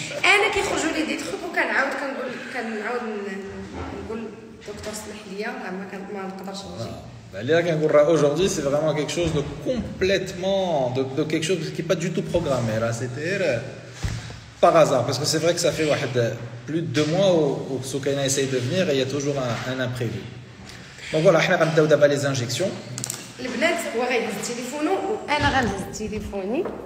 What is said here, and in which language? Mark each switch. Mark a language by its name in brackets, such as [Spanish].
[Arabic] انا كيخرجوا لي دي تروك وكنعاود كنقول دكتور سمح ليا زعما ما نقدرش نجي بالي كنقول راه [French] aujourd'hui c'est vraiment quelque chose de complètement de quelque chose qui est pas du tout programmé là c'était par hasard parce que c'est vrai que ça fait واحد plus de 2 mois où Soukaina essaie de venir et il y a toujours un imprévu. Donc voilà, [Arabic] حنا غنبداو دابا [French] les injections. [Arabic] البنات هو غيهز التليفون وانا غنهز تليفوني.